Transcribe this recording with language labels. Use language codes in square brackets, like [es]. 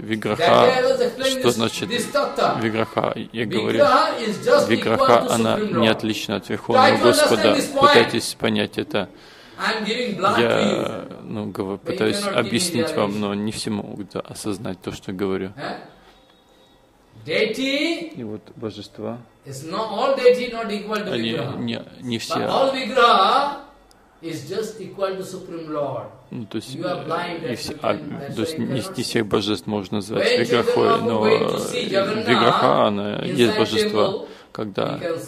[ru] Виграха, что значит Виграха? Я говорю, Виграха, она не отлична от Верховного Господа. Пытайтесь понять это. Я пытаюсь объяснить вам, но не все могут осознать то, что я говорю. [en] Deity, [ru] и вот божества, [en] is not all deity not equal to Vigraha. [ru] Не все. [en] But all Vigraha is just equal to Supreme Lord. [ru] То есть не всех божеств можно назвать Виграхой, но Виграха, она есть божество, когда...